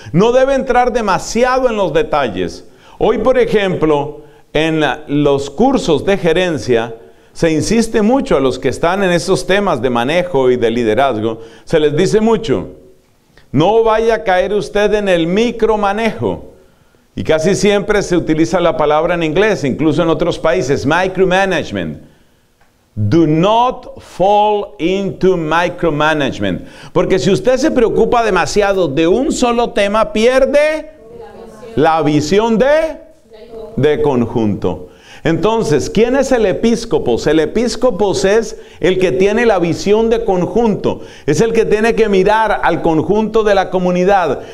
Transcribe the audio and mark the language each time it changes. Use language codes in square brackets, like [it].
[es] No debe entrar demasiado en los detalles. Hoy, por ejemplo, en los cursos de gerencia, se insiste mucho a los que están en esos temas de manejo y de liderazgo, se les dice mucho, no vaya a caer usted en el micromanejo. Y casi siempre se utiliza la palabra en inglés, incluso en otros países, micromanagement. [en] Do not fall into micromanagement. [es] Porque si usted se preocupa demasiado de un solo tema, pierde la visión de conjunto. Entonces, ¿quién es el episcopos? El episcopos es el que tiene la visión de conjunto. Es el que tiene que mirar al conjunto de la comunidad.